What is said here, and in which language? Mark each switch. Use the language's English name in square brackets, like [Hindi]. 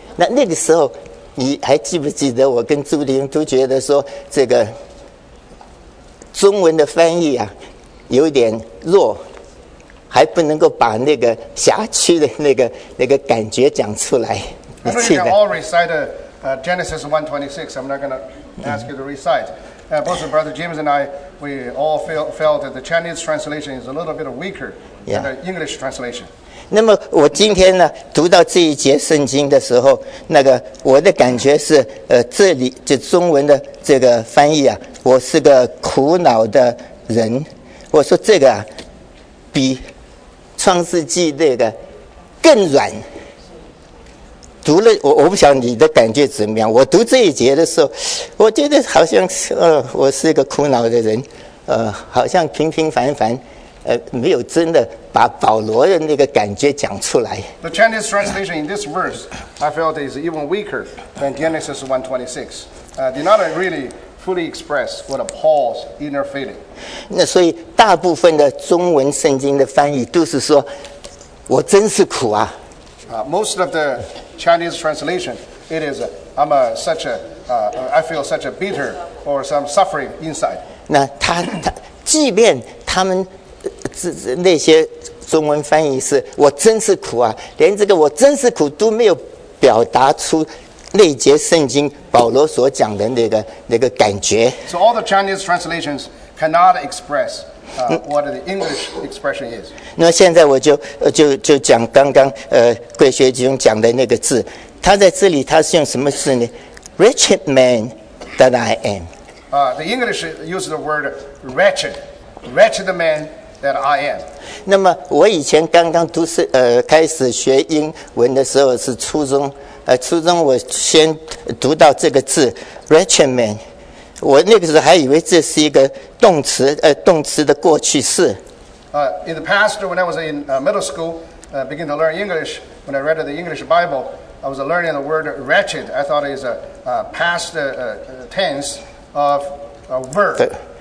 [Chinese] 那个时候你还记不记得我跟朱立英都觉得说这个。中文的翻译啊，有点弱，还不能够把那个辖区的那个感觉讲出来。 [English] I think you all recite Genesis 1:26. I'm not going to ask you to recite. Both of Brother James and I, we all felt that the Chinese translation is a little bit weaker than the English translation. [Chinese] 那么我今天呢，读到这一节圣经的时候，那个我的感觉是，这里就中文的这个翻译啊。我是个苦恼的人，我说这个啊，比创世纪那个更软。读了我不晓得你的感觉怎么样。我读这一节的时候，我觉得好像我是一个苦恼的人，好像平平凡凡，没有真的把保罗的那个感觉讲出来。 [English] The Chinese translation in this verse, I felt, is even weaker than Genesis 1:26. Did not really. Fully express what a Paul's inner feeling. [Chinese] 那所以大部分的中文圣经的翻译都是说，我真是苦啊。 [English] Most of the Chinese translation, it is I'm a, such a、I feel such a bitter or some suffering inside. [Chinese] 那他即便他们那些中文翻译是我真是苦啊，连这个我真是苦都没有表达出。那节圣经保罗所讲的那个感觉。 [English] So all the Chinese translations cannot express what the English expression is. [Chinese] 那现在我就讲刚刚贵学兄讲的那个字，他在这里他是用什么字呢 ？ [English] Wretched man that I am. The English uses the word wretched man. That I am. [Chinese] 那么我以前刚刚读是开始学英文的时候是初中，初中我先读到这个字 [English] wretched man， [Chinese] 我那个时候还以为这是一个动词，动词的过去式。 [English] In the past, when I was in middle school, begin to learn English, when I read the English Bible, I was learning the word wretched. I thought it's a past tense of a verb.